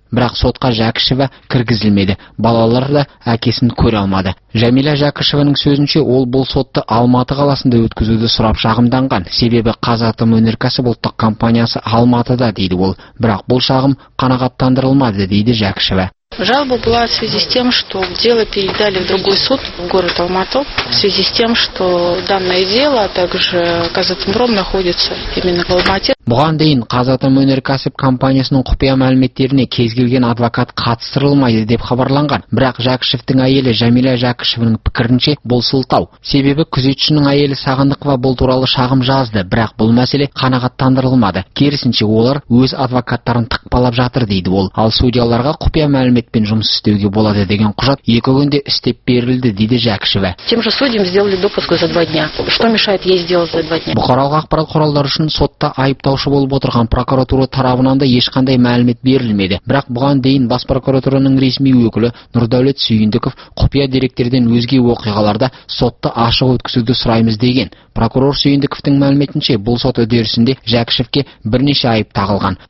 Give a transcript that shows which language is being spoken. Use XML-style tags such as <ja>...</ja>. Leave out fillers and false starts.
<kk>Бірақ сотқа Жәкішева кіргізілмеді. Балалар да әкесін көре алмады. Жәмиля Жәкішеваның сөзінше, ол бұл сотты Алматы қаласында өткізуді сұрап шағымданған. Себебі Қазатомөнеркәсіп ұлттық компаниясы Алматыда, дейді ол. Бірақ бұл шағым қанағаттандырылмады, дейді Жәкішева.</kk> <ru>Жалоба была в связи с тем, что дело передали в другой суд, в город Алматы, в связи с тем, что данное дело, а также Қазатомпром находится именно в Алмате.</ru> <kk>Бұған дейін Қазатомөнеркәсіп компаниясының құпия мәліметтеріне кез келген адвокат қатыстырылмайды деп хабарланған. Бірақ Жәкішевтің әйелі Жәмиля Жәкішевінің пікірінше бұл сылтау. Себебі күзетшінің әйелі Сағындықова бұл туралы шағым жазды, бірақ бұл мәселе қанағаттандырылмады. Керісінше, олар өз адвокаттарын тықпалап жатыр, дейді ол. Ал судьяларға құпия мәліметпен жұмыс істеуге болады деген құжат екі күнде істеп берілді, дейді Жәкішева.</kk> <ru>Тем же судьям сделали допуск за 2 дня. Что мешает ей сделать за 2 дня?</ru> <kk>Бұқаралық ақпарат құралдары үшін сотта айыптаушы болып отырған прокуратура тарапынан да ешқандай мәлімет берілмеді. Бірақ бұған дейін бас прокуратураның ресми өкілі Нұрдәулет Сүйіндіков құпия деректерден өзге оқиғаларда сотты ашық өткізуді сұраймыз деген. Прокурор Сүйіндіковтің мәліметінше, бұл сот үдерісінде Жәкішевке бірнеше айып тағылған.</kk>